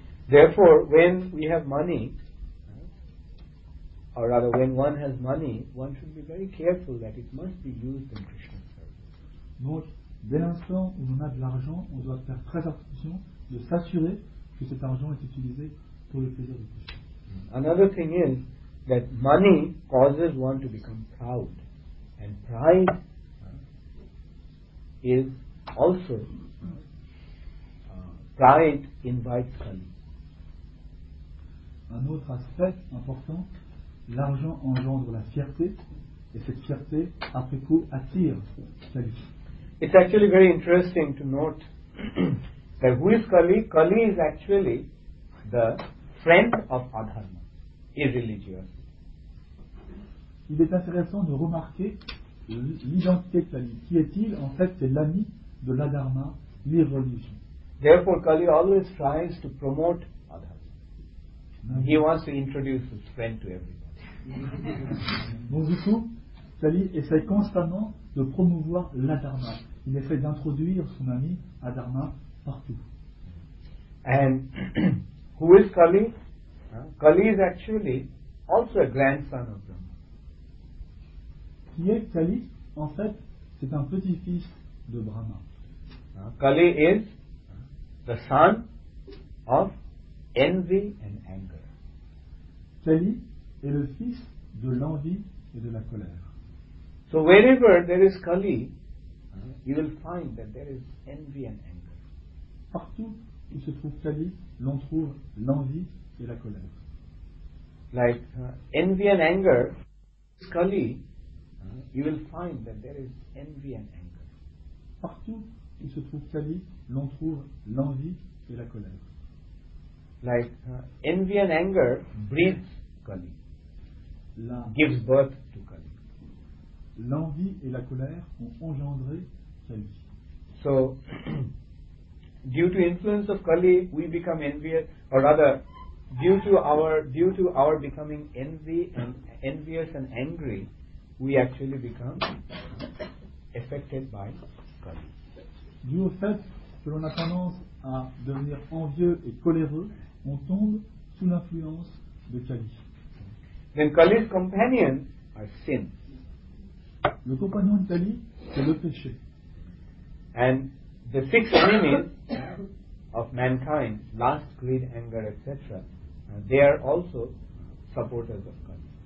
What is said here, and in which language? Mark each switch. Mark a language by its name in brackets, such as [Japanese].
[English] Therefore, when we have money, or rather when one has money, one should be very careful that it must be used in Krishna's service. [French] Donc, dès l'instant où on a de l'argent, on doit faire très attention de s'assurer que cet argent est utilisé pour le plaisir de Krishna. [English] Another thing is that money causes one to become proud, and pride is also pride invites Kali. [French] Un autre aspect important, l'argent engendre la fierté, et cette fierté, après coup, attire Kali. [English] It's actually very interesting to note that who is Kali? Kali is actually the friend of Adharma, his religious. [French] Il est intéressant de remarquer l'identité de Kali. Qui est-il? En fait, c'est l'ami de l'Adharma, l'irreligion. [English] Therefore, Kali always tries to promote Adharma. He wants to introduce his friend to everybody. [French] Donc, du coup, Kali essaie constamment de promouvoir l'Adharma. Il essaie d'introduire son ami Adharma partout. [English] And who is Kali? Kali is actually also a grandson of Brahma. [French] Qui est Kali? En fait, c'est un petit-fils de Brahma. [English] Kali is the son of envy and anger. [French] Kali est le fils de l'envie et de la colère. [English] So wherever there is Kali, you will find that there is envy and anger. [French] Partout où se trouve Kali, l'on trouve l'envie et la colère. [English] Like envy and anger, Kali, you will find that there is envy and anger. [French] Partout où se trouve Kali, l'on trouve l'envie et la colère. [English] Like envy and anger breeds Kali, gives birth to Kali. [French] L'envie et la colère ont engendré Kali. [English] So, due to influence of Kali, we become envious, or rather, due to our becoming envious and angry, we actually become affected by Kali. [French] Due au fait que l'on a tendance à devenir envieux et coléreux, on tombe sous l'influence de Kali. [English] Then Kali's companions are sins. [French] Le compagnon de Kali, c'est le péché. [English] And the six enemies of mankind, lust, greed, anger, etc., they are also supporters of Kali.